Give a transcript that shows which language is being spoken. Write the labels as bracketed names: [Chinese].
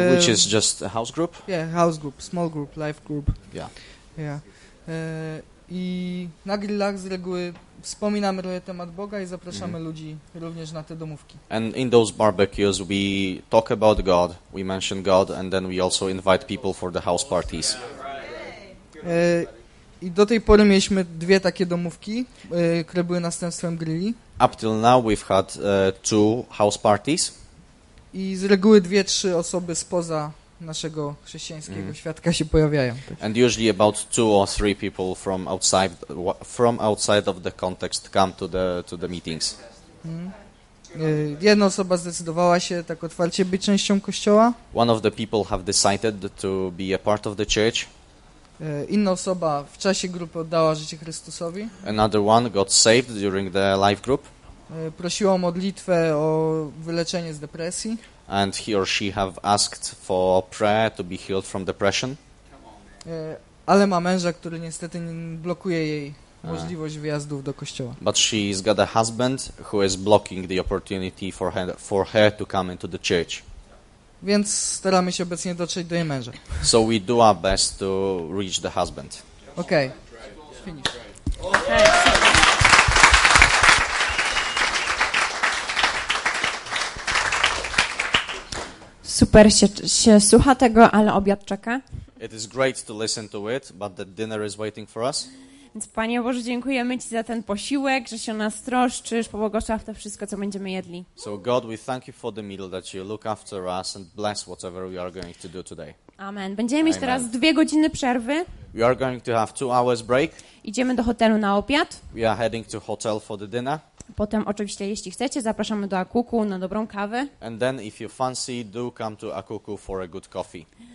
[English] which is just a house group. Yeah, house group, small group, life group. Yeah. [Polish] I na grillach z reguły wspominamy trochę temat Boga i zapraszamy ludzi również na te domówki. [English] And in those barbecues we talk about God, we mention God, and then we also invite people for the house parties. [Polish] I do tej pory mieliśmy 2 takie domówki, które były następstwem grilli. [English] Up till now we've had 2 house parties. [Polish] I z reguły 2-3 osoby spoza naszego chrześcijańskiego świadka się pojawiają. [English] And usually about 2 or 3 people from outside of the context come to the meetings. [Polish] Jedna osoba zdecydowała się tak otwarcie być częścią kościoła. [English] One of the people have decided to be a part of the church. [Polish] Inna osoba w czasie grupy oddała życie Chrystusowi. [English] Another one got saved during the life group. [Polish] Prosiła o modlitwę o wyleczenie z depresji. [English] And he or she have asked for prayer to be healed from depression. [Polish] Ale ma męża, który niestety blokuje jej możliwość wyjazdów do kościoła. [English] But she's got a husband who is blocking the opportunity for her to come into the church. [Polish] Więc staramy się obecnie dotrzeć do jej męża. [English] So we do our best to reach the husband. Okay. Finish. Okay. [Polish] Super się słucha tego, ale obiad czeka. [English] It is great to listen to it, but the dinner is waiting for us. [Polish] Więc Panie Boże, dziękujemy Ci za ten posiłek, że się o nas troszczysz, pobłogosław to wszystko, co będziemy jedli. [English] So God, we thank you for the meal that you look after us and bless whatever we are going to do today. Amen. [Polish] Będziemy mieć teraz 2 godziny przerwy. [English] We are going to have 2 hours break. [Polish] Idziemy do hotelu na obiad. [English] We are heading to hotel for the dinner. [Polish] Potem oczywiście, jeśli chcecie, zapraszamy do Akuku na dobrą kawę. [English] And then if you fancy, do come to Akuku for a good coffee.